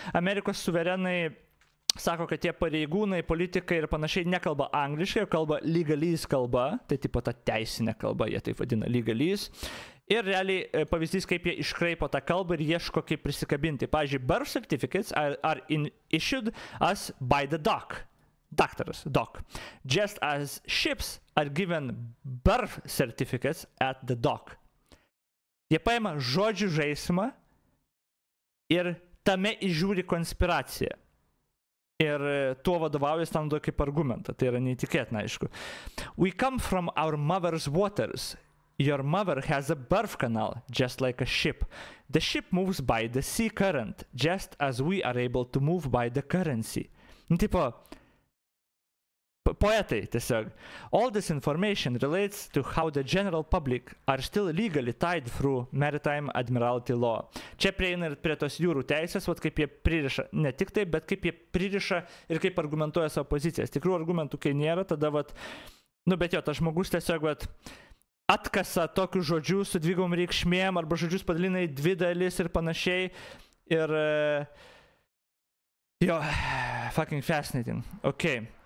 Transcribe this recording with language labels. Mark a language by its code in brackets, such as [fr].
[lt] Amerikos suverenai sako, kad tie pareigūnai, politikai ir panašiai nekalba angliškai, kalba legalese kalba, tai taip pat ta teisinė kalba, jie taip vadina legalese. Ir realiai pavyzdys, kaip jie iškraipo tą kalbą ir ieško, kaip prisikabinti. [en] Pavyzdžiui, birth certificates are issued as by the doc. Daktaras, doc. Just as ships are given birth certificates at the doc. [lt] Jie paima žodžių žaismą ir tame įžiūri konspiraciją. Ir tuo vadovaujas tam duokį argumentą. Tai yra neįtikėtina, aišku. [en] We come from our mother's waters. Your mother has a birth canal, just like a ship. The ship moves by the sea current, just as we are able to move by the currency. [lt] Nu, tipo, poetai tiesiog. [en] All this information relates to how the general public are still legally tied through maritime admiralty law. [lt] Čia prieina ir prie tos jūrų teisės, vat kaip jie pririša, ne tik tai, bet kaip jie pririša ir kaip argumentuoja savo pozicijas. Tikrų argumentų, kai nėra, tada vat, nu bet jo, tas žmogus tiesiog vat atkasa tokius žodžius su dvigom reikšmėm arba žodžius padalinai dvi dalis ir panašiai ir jo, [en] fucking fascinating. Okay.